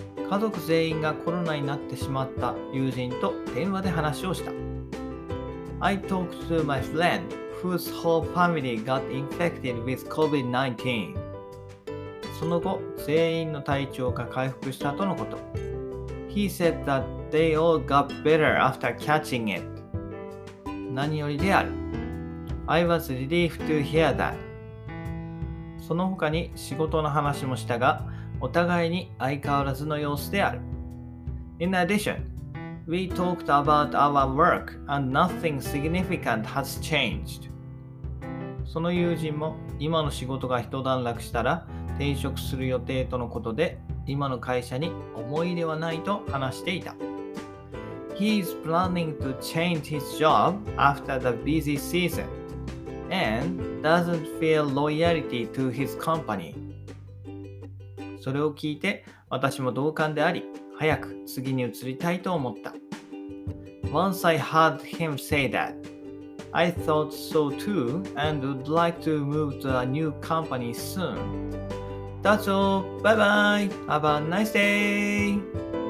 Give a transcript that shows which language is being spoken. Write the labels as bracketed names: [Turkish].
[Japanese] 家族全員がコロナになってしまった友人と電話で話をした。 [English] I talked to my friend whose whole family got infected with COVID-19. [Japanese] その後、全員の体調が回復したとのこと。 [English] He said that they all got better after catching it. [Japanese] 何よりである。 [English] I was relieved to hear that. [Japanese] その他に仕事の話もしたが、お互いに相変わらずの様子である。 [English] In addition, we talked about our work and nothing significant has changed. [Japanese] その友人も今の仕事が一段落したら転職する予定とのことで、今の会社に思い入れはないと話していた。 [English] He is planning to change his job after the busy season and doesn't feel loyalty to his company. [Japanese] それを聞いて私も同感であり、早く次に移りたいと思った。 [English] Once I heard him say that, I thought so too and would like to move to a new company soon. That's all. Bye bye. Have a nice day.